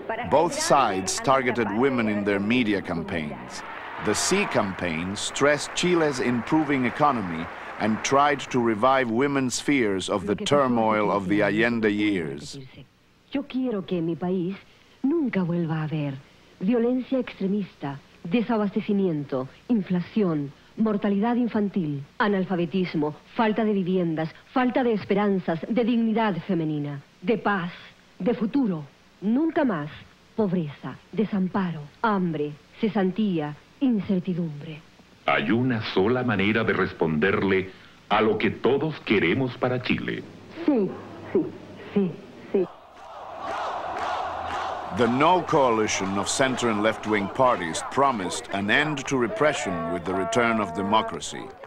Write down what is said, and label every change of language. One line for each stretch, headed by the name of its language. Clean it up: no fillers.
English: Both sides targeted women in their media campaigns. The C campaign stressed Chile's improving economy and tried to revive women's fears of the turmoil of the Allende years.
Spanish: Yo quiero que mi país nunca vuelva a haber violencia extremista, desabastecimiento, inflación, mortalidad infantil, analfabetismo, falta de viviendas, falta de esperanzas, de dignidad femenina, de paz, de futuro. Nunca más pobreza, desamparo, hambre, cesantía, incertidumbre. Hay una sola manera de responderle a lo que todos queremos para Chile. Sí, sí, sí, sí.
English: The No Coalition of center and left-wing parties promised an end to repression with the return of democracy.